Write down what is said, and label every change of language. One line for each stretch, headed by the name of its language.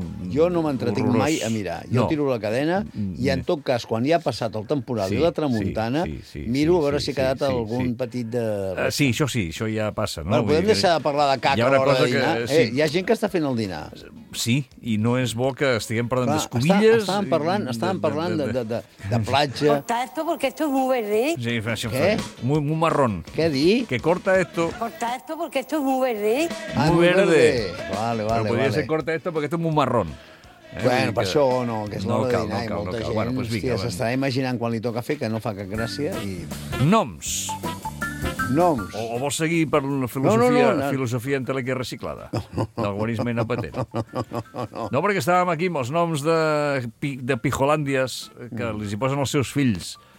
Catalan: Jo no m'entretinc mai a mirar. Jo tiro la cadena i, en tot cas, quan ja ha passat el temporal i la tramuntana, miro a veure si ha quedat algun petit de... Sí, això sí, això ja passa. Podem deixar de parlar de caca a l'hora de dinar? Hi ha gent que està fent el dinar. Sí, i no és bo que estiguem parlant d'escomilles... Estàvem parlant de platja...
Spanish: Corta esto porque esto es muy verde. Sí, muy marrón. ¿Qué dir? Que corta esto. Corta esto porque esto es muy verde. Muy verde. Vale. Pero podría ser corta esto porque esto es muy marrón.
Catalan: Bueno, per això no, que és l'hora de dinar. Molta gent s'està imaginant quan li toca fer, que no fa cap gràcia. Noms. Noms. O vols seguir per una filosofia entelèquia reciclada? No. D'algorisme inapatent. No. No, perquè estàvem aquí amb els noms de pijolàndies que els hi posen els seus fills.